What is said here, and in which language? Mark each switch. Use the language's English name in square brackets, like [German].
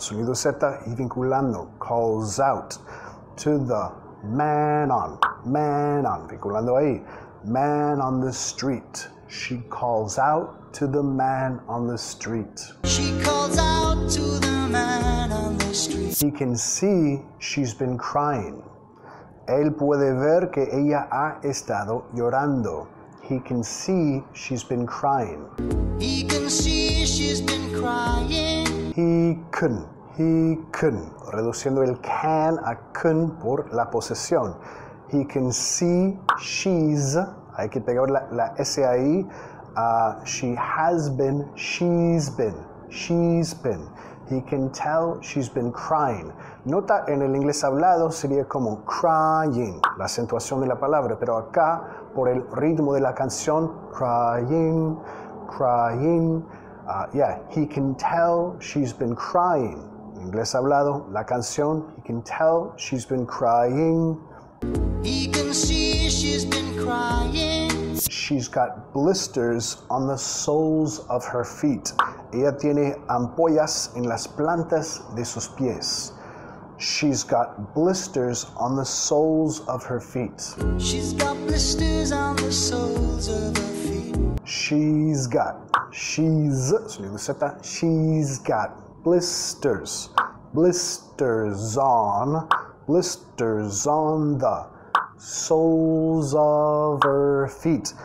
[Spanish] Sonido Z y vinculando. [English] Calls out to the man on, [Spanish] vinculando ahí. [English] Man on the street. She calls out to the man on the street. She calls out to the man on the street. He can see she's been crying. [Spanish] Él puede ver que ella ha estado llorando. [English] He can see she's been crying. He can see she's been crying. He can, [Spanish] reduciendo el can a can por la posesión. [English] He can see she's. [Spanish] Hay que pegar la S ahí. [English] She has been, she's been, she's been. He can tell she's been crying. [Spanish] Nota en el inglés hablado sería como crying, la acentuación de la palabra. Pero acá, por el ritmo de la canción, crying, crying. [English] Yeah, he can tell she's been crying. [Spanish] En inglés hablado, la canción, [English] he can tell she's been crying. He can see she's been crying. She's got blisters on the soles of her feet. [Spanish] Ella tiene ampollas en las plantas de sus pies. [English] She's got blisters on the soles of her feet. She's got blisters on the soles of her feet. She's got, she's, [Spanish] sonido Z, [English] she's got blisters, blisters on the soles of her feet.